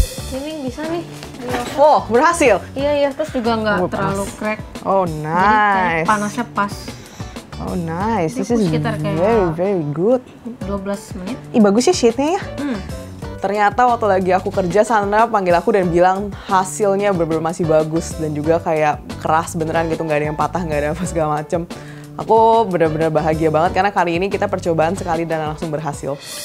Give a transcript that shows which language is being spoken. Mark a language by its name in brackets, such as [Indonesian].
[Indonesian] Ini bisa nih. Oh, berhasil. Iya, terus juga enggak terlalu crack. [English] Oh, nice. [Indonesian] Jadi panasnya pas. [English] Oh nice, this is very, very good. [Indonesian] 12 menit. Ih bagus ya sheet-nya ya. Ternyata waktu lagi aku kerja, Sandra panggil aku dan bilang hasilnya bener-bener masih bagus. Dan juga kayak keras beneran gitu, gak ada yang patah, gak ada apa segala macem. Aku bener-bener bahagia banget karena kali ini kita percobaan sekali dan langsung berhasil.